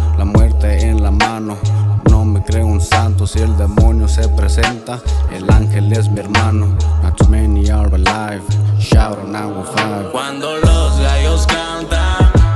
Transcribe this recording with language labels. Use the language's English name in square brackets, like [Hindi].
[Spanish] La muerte en la mano, no me creo un santo. Si el demonio se presenta, el ángel es mi hermano. [English] Not too many are alive, shout on 915. [Spanish] Cuando los gallos cantan,